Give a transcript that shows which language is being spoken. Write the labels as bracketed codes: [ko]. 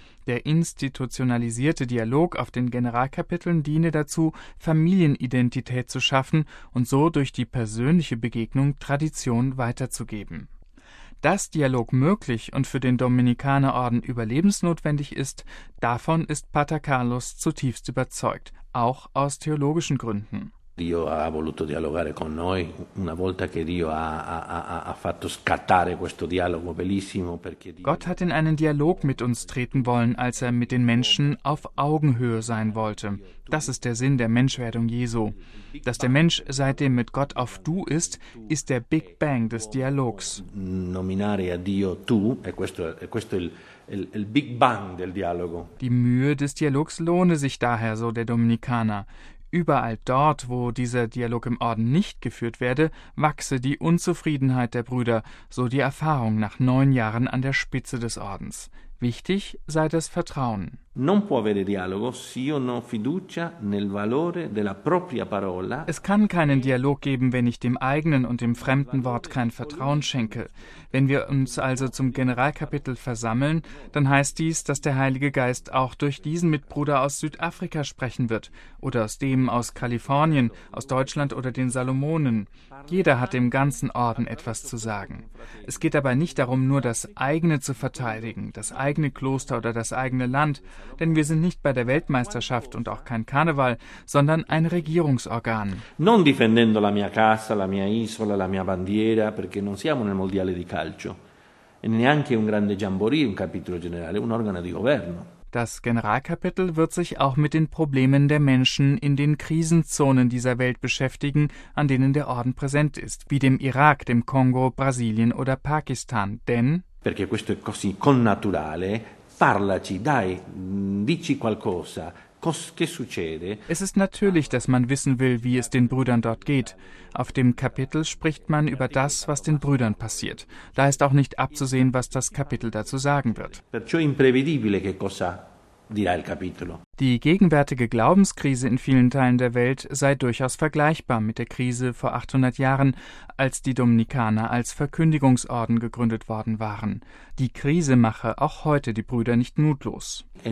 [de] Der institutionalisierte Dialog auf den Generalkapiteln diene dazu, Familienidentität zu schaffen und so durch die persönliche Begegnung Tradition weiterzugeben. Dass Dialog möglich und für den Dominikanerorden überlebensnotwendig ist, davon ist Pater Carlos zutiefst überzeugt, auch aus theologischen Gründen. [it] Dio ha voluto dialogare con noi una volta che Dio ha fatto scattare questo dialogo bellissimo perché Dio [de] Gott hat in einen Dialog mit uns treten wollen, als er mit den Menschen auf Augenhöhe sein wollte. Das ist der Sinn der Menschwerdung Jesu. Dass der Mensch seitdem mit Gott auf Du ist, ist der Big Bang des Dialogs. [it] Nominare a Dio tu, questo è il Big Bang del dialogo. [de] Die Mühe des Dialogs lohne sich daher, so der Dominikaner. Überall dort, wo dieser Dialog im Orden nicht geführt werde, wachse die Unzufriedenheit der Brüder, so die Erfahrung nach 9 Jahren an der Spitze des Ordens. Wichtig sei das Vertrauen. [it] Non può avere dialogo se io non ho fiducia nel valore della propria parola. [de] Es kann keinen Dialog geben, wenn ich dem eigenen und dem fremden Wort kein Vertrauen schenke. Wenn wir uns also zum Generalkapitel versammeln, dann heißt dies, dass der Heilige Geist auch durch diesen Mitbruder aus Südafrika sprechen wird oder aus dem aus Kalifornien, aus Deutschland oder den Salomonen. Jeder hat dem ganzen Orden etwas zu sagen. Es geht dabei nicht darum, nur das eigene zu verteidigen, das eigene Kloster oder das eigene Land. Denn wir sind nicht bei der Weltmeisterschaft und auch kein Karneval, sondern ein Regierungsorgan. [it] Non difendendo la mia casa, la mia isola, la mia bandiera, perché non siamo nel mondiale di calcio, e neanche un grande jamboree, un capitolo generale, un organo di governo. [de] Das Generalkapitel wird sich auch mit den Problemen der Menschen in den Krisenzonen dieser Welt beschäftigen, an denen der Orden präsent ist, wie dem Irak, dem Kongo, Brasilien oder Pakistan. Denn [it] perché questo è così connaturale. Parlaci, dai, dici qualcosa. Che succede? [de] Es ist natürlich, dass man wissen will, wie es den Brüdern dort geht. Auf dem Kapitel spricht man über das, was den Brüdern passiert. Da ist auch nicht abzusehen, was das Kapitel dazu sagen wird. [it] Perciò è imprevedibile che cosa dirà il capitolo. [de] Die gegenwärtige Glaubenskrise in vielen Teilen der Welt sei durchaus vergleichbar mit der Krise vor 800 Jahren, als die Dominikaner als Verkündigungsorden gegründet worden waren. Die Krise mache auch heute die Brüder nicht mutlos.